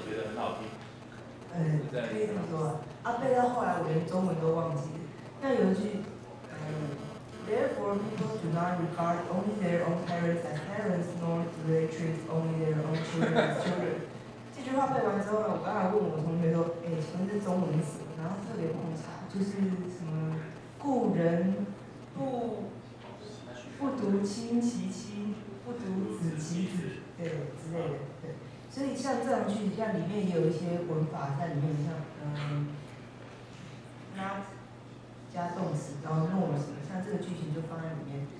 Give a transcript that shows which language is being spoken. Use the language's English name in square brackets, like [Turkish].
[Chinese] 自己念起来，自己觉得很好听。可以这么说啊。背到后来，我连中文都忘记了。 [English] 那有一句，Therefore, people do not regard only their own parents as parents, nor do they treat only their own children as children. [Chinese] 这句话背完之后呢，我刚才问我同学说，什么是中文词？然后特别不查，就是什么故人不独亲其亲，不独子其子，对之类的，对。所以像这样句子，像里面也有一些文法在里面，像not 加动词，然后 nor 什么，像这个句型就放在里面。